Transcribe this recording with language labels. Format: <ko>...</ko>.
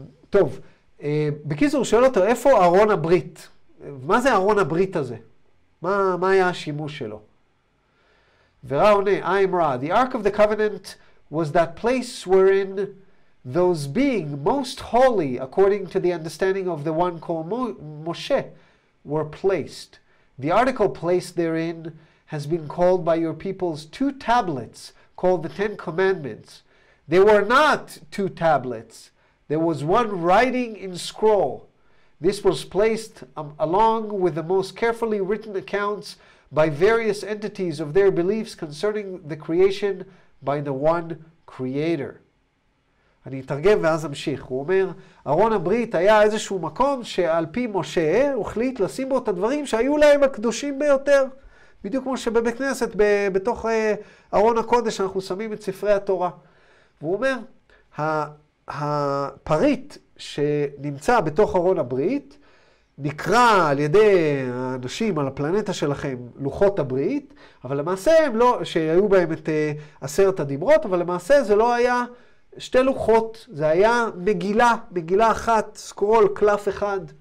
<he>טוב, בקיצור, שואל אותו, איפה ארון הברית? מה זה ארון הברית הזה? מה היה השימוש שלו? וראה עונה,</he> <en>I'm Ra, the Ark of the Covenant was that place wherein those being most holy, according to the understanding of the one called Moshe, were placed. The article placed therein has been called by your people's two tablets, called the Ten Commandments. They were not two tablets. There was one writing in scroll. This was placed along with the most carefully written accounts by various entities of their beliefs concerning the creation by the one creator.</en> <he>אני אתרגם ואז אמשיך. הוא אומר, ארון הברית היה איזשהו מקום שעל פי משה הוחליט לשים בו את הדברים שהיו להם הקדושים ביותר. בדיוק כמו שבבית כנסת, בתוך ארון הקודש, אנחנו שמים את ספרי התורה. והוא אומר, הפריט שנמצא בתוך ארון הברית, נקרא על ידי האנשים על הפלנטה שלכם לוחות הברית, אבל למעשה הם לא, שהיו בהם את עשרת הדיברות, אבל למעשה זה לא היה שתי לוחות, זה היה מגילה, מגילה אחת, סקרול, קלף אחד.</he>